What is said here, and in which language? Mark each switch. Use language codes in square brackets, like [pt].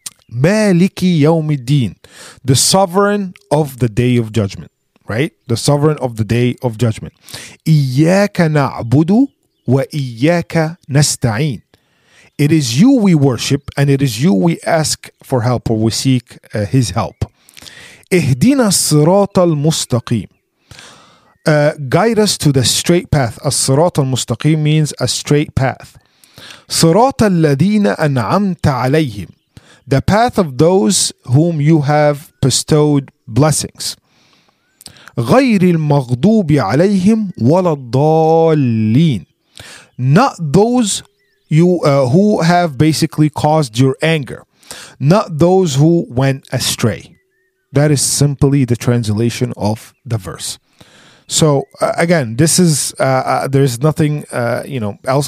[ar] مالك يوم الدين, [en] the sovereign of the day of judgment, right? The sovereign of the day of judgment. [ar] إياك نعبد وإياك نستعين. [en] It is you we worship, and it is you we ask for help, or we seek his help. [ar] إهدينا الصراط المستقيم. [en] Guide us to the straight path. [ar] الصراط المستقيم [en] means a straight path. [ar] صراط الذين أنعمت عليهم. [en] The path of those whom you have bestowed blessings. [ar] غير المغضوب عليهم ولا الضالين. [en] Not those who have basically caused your anger. Not those who went astray. That is simply the translation of the verse. So again, this is there's nothing else.